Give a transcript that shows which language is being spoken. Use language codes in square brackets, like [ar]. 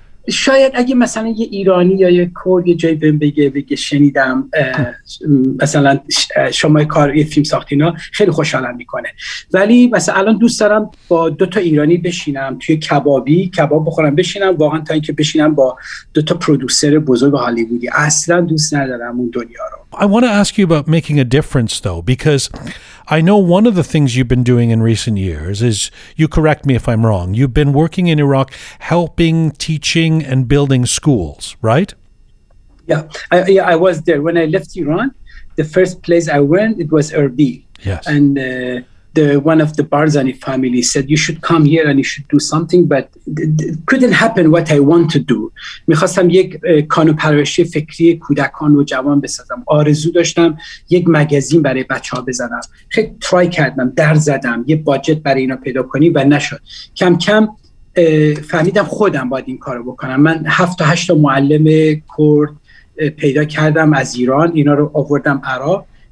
[fa] شاید اگه مثلا یه ایرانی یا یه کرد یه جایی بهم بگه شنیدم مثلا شما کار یه فیلم ساختینا، خیلی خوشحالم میکنه. ولی مثلا الان دوست دارم با دوتا ایرانی بشینم توی کبابی کباب بخورم، بشینم واقعا تا اینکه بشینم با دوتا پرودوسر بزرگ هالیوودی. اصلا دوست ندارم اون دنیا رو. [en] I want to ask you about making a difference though, because I know one of the things you've been doing in recent years is, you correct me if I'm wrong, you've been working in Iraq helping, teaching and building schools, right? Yeah, I was there. When I left Iran, the first place I went, it was Erbil. Yes. And the one of the Barzani family said, you should come here and you should do something, but it couldn't happen what I want to do. I wanted to create a [fa] پرورشی فکری کودکان و جوان بسازم. آرزو داشتم یک مگزین برای بچه‌ها بزنم. خیلی try کردم، در زدم، یه باجت برای اینا پیدا کنی و نشد. کم کم فهمیدم خودم باید این کارو بکنم. من 7 تا 8 تا معلم کرد پیدا کردم از ایران، اینا رو آوردم عراق.